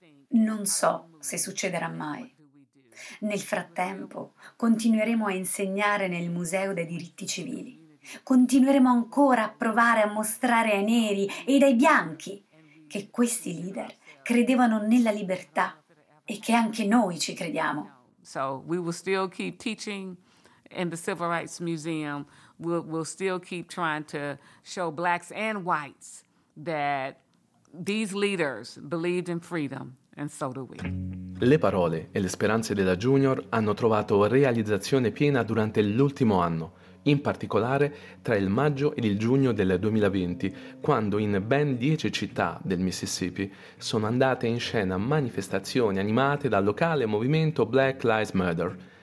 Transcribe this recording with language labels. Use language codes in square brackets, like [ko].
[it] Non so se succederà mai. Nel frattempo, continueremo a insegnare nel Museo dei Diritti Civili. Continueremo ancora a provare a mostrare ai neri e ai bianchi che questi leader credevano nella libertà e che anche noi ci crediamo. [en] So we will still keep teaching in the Civil Rights Museum. We'll still keep trying to show blacks and whites that these leaders believed in freedom, and so do we. [it] Le parole e le speranze della Junior hanno trovato realizzazione piena durante l'ultimo anno, in particolare tra il maggio ed il giugno del 2020, quando in ben 10 città del Mississippi sono andate in scena manifestazioni animate dal locale movimento Black Lives Matter.